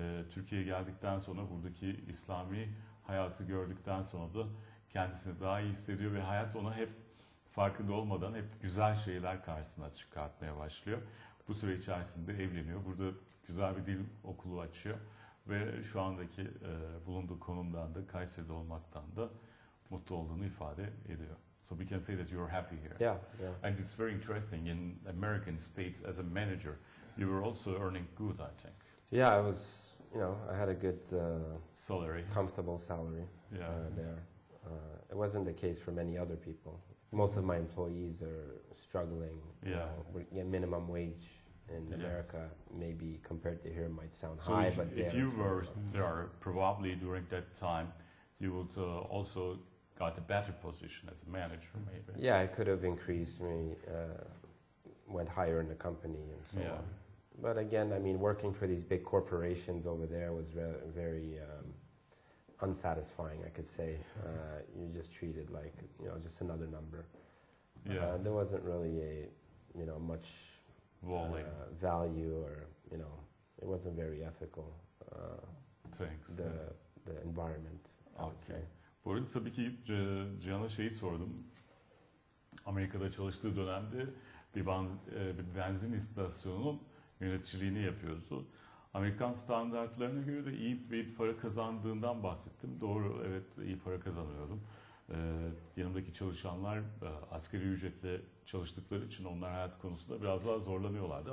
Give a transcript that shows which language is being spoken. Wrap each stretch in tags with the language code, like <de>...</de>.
<tr>Türkiye'ye geldikten sonra buradaki İslami hayatı gördükten sonra da kendisini daha iyi hissediyor ve hayat ona hep farkında olmadan hep güzel şeyler karşısına çıkartmaya başlıyor. Bu süre içerisinde evleniyor. Burada güzel bir dil okulu açıyor ve şu andaki bulunduğu konumdan da Kayseri'de olmaktan da mutlu olduğunu ifade ediyor.</tr> <en>So we can say that you're happy here. Yeah, yeah. And it's very interesting, in American states as a manager, you were also earning good, I think. Yeah, I was, you know, I had a good salary. Comfortable salary there. It wasn't the case for many other people. Most of my employees are struggling. Yeah. Minimum wage in America, maybe compared to here, might sound so high. So if you were there, probably during that time, you would also got a better position as a manager, maybe. Yeah, it could have increased me, went higher in the company and so on. But again, I mean, working for these big corporations over there was very unsatisfying, I could say. You're just treated like, you know, just another number. There wasn't really a, you know, much value or, you know, it wasn't very ethical, the environment, I would say.</en> <tr>Bu arada tabii ki Cihan'a şeyi sordum. Amerika'da çalıştığı dönemde bir benzin istasyonunun yöneticiliğini yapıyordu. Amerikan standartlarına göre de iyi bir para kazandığından bahsettim. Doğru, evet, iyi para kazanıyordum. Yanımdaki çalışanlar asgari ücretle çalıştıkları için onlar hayat konusunda biraz daha zorlanıyorlardı.</tr>